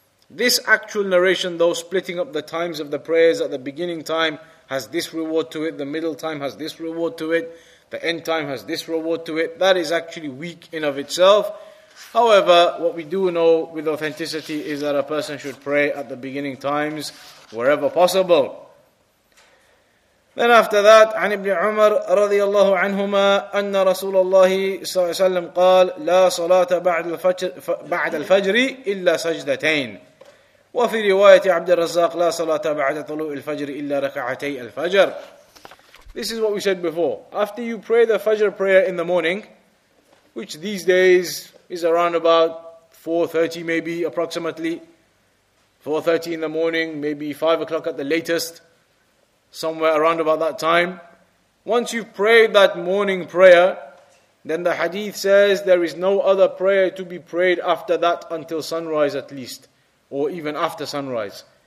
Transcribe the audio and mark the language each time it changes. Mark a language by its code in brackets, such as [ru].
[en] This actual narration, though, splitting up the times of the prayers at the beginning time has this reward to it, the middle time has this reward to it, the end time has this reward to it, that is actually weak in of itself. However, what we do know with authenticity is that a person should pray at the beginning times wherever possible. Then after that, [ar] عن ابن عمر رضي الله عنهما أن رسول الله صلى الله عليه وسلم قال لا صلاة بعد الفجر إلا سجدتين. وفي رواية عبد الرزاق لا صلاة بعد طلوع الفجر إلا ركعتي الفجر. [en] This is what we said before. After you pray the Fajr prayer in the morning, which these days is around about 4:30 maybe approximately, 4:30 in the morning, maybe 5 o'clock at the latest, somewhere around about that time. Once you've prayed that morning prayer, then the hadith says there is no other prayer to be prayed after that until sunrise at least, or even after sunrise.